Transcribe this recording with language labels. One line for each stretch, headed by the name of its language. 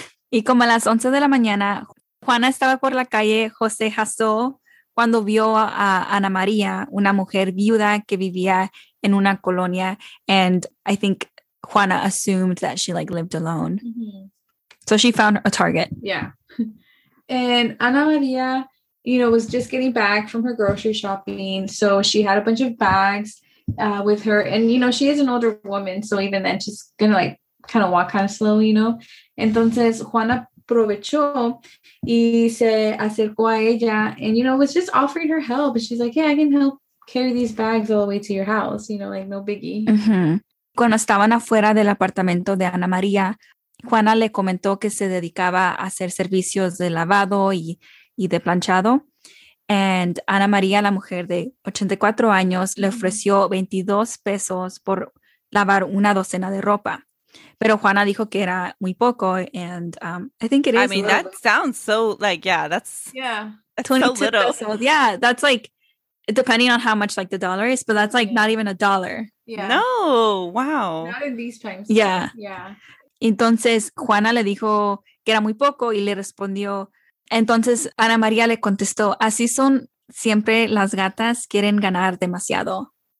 Spanish: Y como a las 11 de la mañana, Juana estaba por la calle José Jasó cuando vio a Ana María, una mujer viuda que vivía en una colonia.
English: And I think Juana assumed that she like lived alone. Mm-hmm. So she found a target. Yeah. And Ana María, you know, was just getting back from her grocery shopping. So she had a bunch of bags with her. And, you know, she is an older woman. So even then, she's going to like kind of walk kind of slow, you know.
Spanish: Entonces, Juana aprovechó y se acercó a ella.
English: And, you know, was just offering her help. And she's like, yeah, I can help carry these bags all the way to your house. You know, like no biggie. Mm-hmm.
Spanish: Cuando estaban afuera del apartamento de Ana María, Juana le comentó que se dedicaba a hacer servicios de lavado y de planchado. And Ana María, la mujer de 84 años, le ofreció 22 pesos por lavar una docena de ropa. Pero Juana dijo que era muy poco.
English: And I think it is. I mean, that sounds so like, yeah, that's, yeah, that's so little.
Spanish: Pesos.
English: Yeah, that's like, depending on how much like the dollar is, but that's like not even a dollar. Yeah. No, wow. Not in these times. Yeah. Yeah.
Spanish: Entonces Juana le dijo que era muy poco y le respondió. Entonces Ana María le contestó, así son siempre las gatas, quieren ganar demasiado.